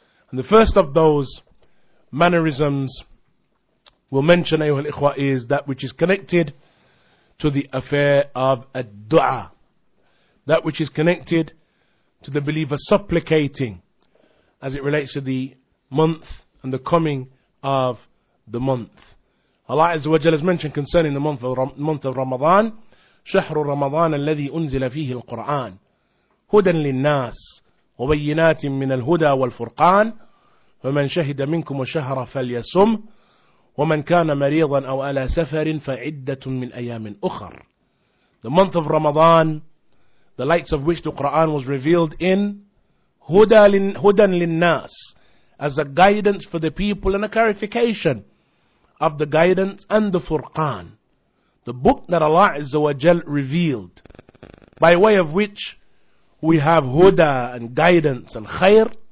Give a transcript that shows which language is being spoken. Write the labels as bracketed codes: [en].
[en] And the first of those mannerisms we'll mention, ayuhal ikhwa, is that which is connected to the affair of ad-du'a. That which is connected to the believer supplicating as it relates to the month and the coming of the month. Allah Azza wa Jalla has mentioned concerning the month of Ramadan, [ar] شهر رمضان الذي أنزل فيه القرآن هدى للناس وبينات من الهدى والفرقان فمن شهد منكم الشهر فليصم ومن كان مريضا أو على سفر فعدة من أيام أخر. [en] The month of Ramadan, the lights of which the Quran was revealed in, [ar] هدى للناس, [en] as a guidance for the people and a clarification of the guidance, and the Furqan, the book that Allah Azza wa Jal revealed, by way of which we have huda and guidance and khair.